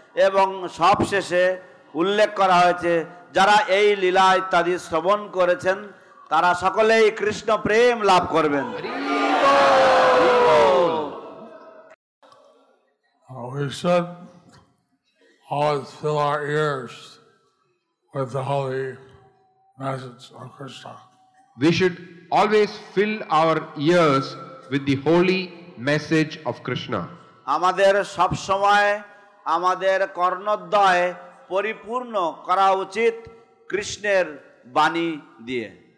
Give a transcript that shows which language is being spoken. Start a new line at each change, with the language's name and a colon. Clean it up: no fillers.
Bangla: এবং সবশেষে উল্লেখ করা হয়েছে যারা এই লীলা ইত্যাদি শ্রবণ করেছেন তারা সকলেই কৃষ্ণ প্রেম লাভ করবেন
English: we should always fill our ears with the holy message of Krishna. We should always fill our ears with the holy message of Krishna.
Bangla: আমাদের সব সময় আমাদের কর্ণদ্বয় পরিপূর্ণ করা উচিত কৃষ্ণের বাণী দিয়ে